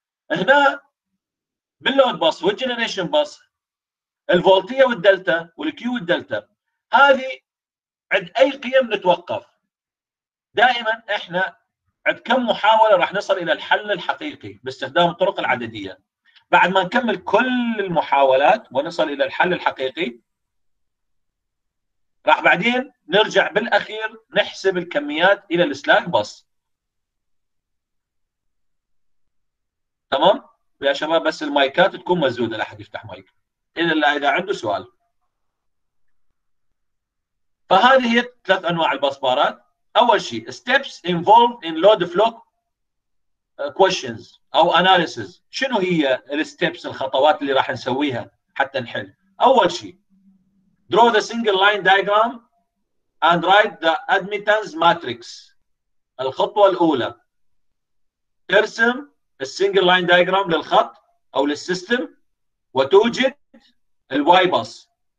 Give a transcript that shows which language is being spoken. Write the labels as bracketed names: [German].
[Arabic] هنا باللود باص والجنريشن باص الفولتيه والدلتا والكيو والدلتا، هذه عند اي قيم نتوقف؟ دائما احنا عند كم محاوله راح نصل الى الحل الحقيقي باستخدام الطرق العدديه؟ بعد ما نكمل كل المحاولات ونصل الى الحل الحقيقي، راح بعدين نرجع بالاخير نحسب الكميات الى السلاك باص. تمام يا شباب؟ بس المايكات تكون مزوده، لا احد يفتح مايك الا اذا عنده سؤال. فهذه هي ثلاث انواع الباصبارات. اول شيء [English] steps involved in load flow questions [Arabic] او analysis. شنو هي الستيبس، الخطوات اللي راح نسويها حتى نحل؟ اول شيء [English] draw the single line diagram and write the admittance matrix. [Arabic] الخطوه الاولى ترسم السنجل لاين دايجرام للخط او للسيستم وتوجد الواي باص.